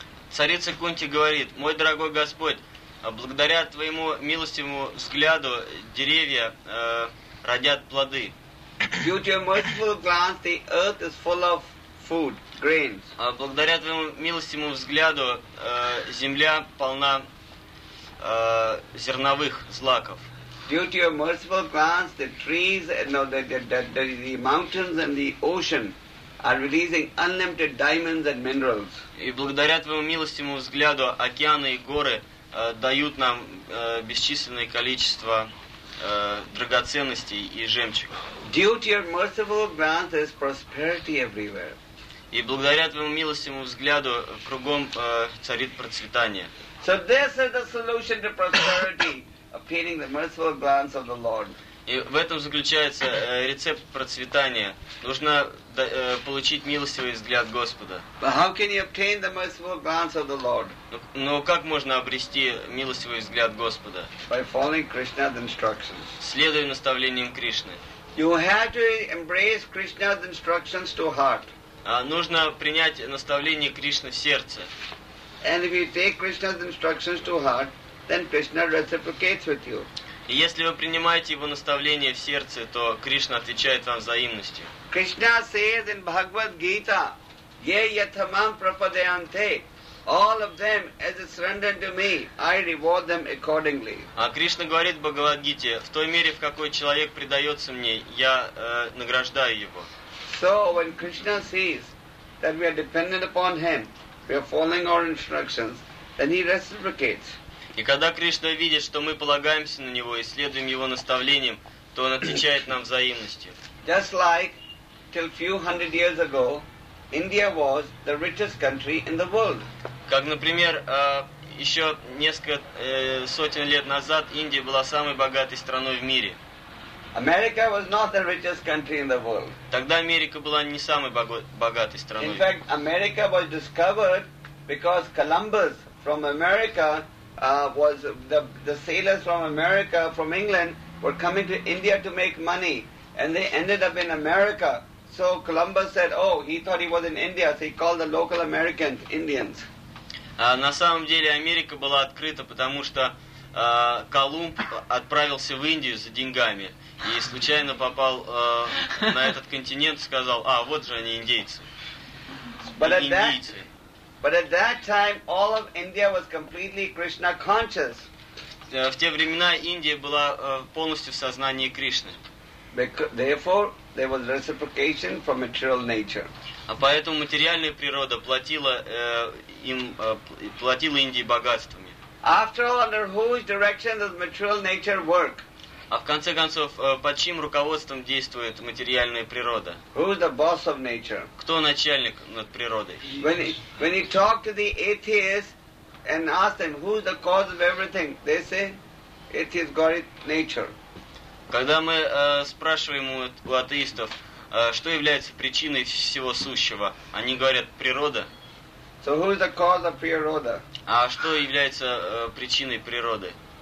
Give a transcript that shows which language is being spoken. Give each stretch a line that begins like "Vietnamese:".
Russian: Царица Кунти говорит, мой дорогой Господь, благодаря твоему милостивому взгляду деревья родят плоды.
English: Due to your merciful glance, the earth is full of food, grains.
Russian: Благодаря твоему милостивому взгляду земля полна зерновых злаков.
English: Due to your merciful glance, the trees, the mountains and the ocean are releasing unlimited diamonds and minerals.
Russian: И благодаря твоему милостивому взгляду океаны и горы дают нам бесчисленное количество драгоценностей и жемчуга.
English: Due to your merciful glance, there is prosperity everywhere.
Russian: И благодаря твоему милостивому взгляду кругом царит процветание.
English: So this is the solution to prosperity, obtaining the merciful glance of the Lord.
Russian: И в этом заключается рецепт процветания. Нужно получить милостивый взгляд Господа.
English: But how can you obtain the merciful glance of the Lord?
Russian: Но как можно обрести милостивый взгляд Господа?
English: By following Krishna's instructions.
Russian: Следуя наставлениям Кришны.
English: You have to embrace Krishna's instructions to heart.
Russian: Нужно принять наставление Кришны в сердце.
English: And if you take Krishna's instructions to heart, then Krishna reciprocates with you.
Russian: И если вы принимаете его наставление в сердце, то Кришна отвечает вам взаимностью.
English: Krishna says in Bhagavad Gita, Ye yathamam prapadayante, all of them as a surrender to me, I reward them accordingly.
Russian: А Кришна говорит в Бхагавад-гите, в той мере, в какой человек предается мне, я награждаю его.
English: So when Krishna sees that we are dependent upon him, we are following our instructions, then he reciprocates.
Russian: И когда Кришна видит, что мы полагаемся на него и следуем его наставлениям, то он отвечает нам взаимностью.
English: Just like till few hundred years ago, India was the richest country in the world.
Russian: Как, например, еще несколько сотен лет назад Индия была самой богатой страной в мире.
English: America was not the richest country in the world.
Russian: Тогда Америка была не самой богатой страной.
English: In fact, America was discovered because Columbus from America was the sailors from America, from England, were coming to India to make money, and they ended up in America. So Columbus said, "Oh, he thought he was in India, so he called the local Americans Indians."
Russian: На самом деле Америка была открыта, потому что Колумб отправился в Индию за деньгами и случайно попал на этот континент, сказал: "А вот же они индейцы."
English: But at that time, all of India was completely Krishna conscious.
Russian: В те времена Индия была полностью в сознании Кришны.
English: Therefore, there was reciprocation from material nature.
Russian: А поэтому материальная природа платила Индии богатствами.
English: After all, under whose direction does material nature work?
Russian: А в конце концов, под чьим руководством действует материальная природа?
English: Who is the boss of nature?
Russian: Кто начальник над природой?
English: When you talk to the atheists and ask them who is the cause of everything, they say it is God, nature.
Russian: Когда мы спрашиваем у атеистов, что является причиной всего сущего, они говорят: природа.
English: So who is the cause of природа?
Russian: А что является причиной природы?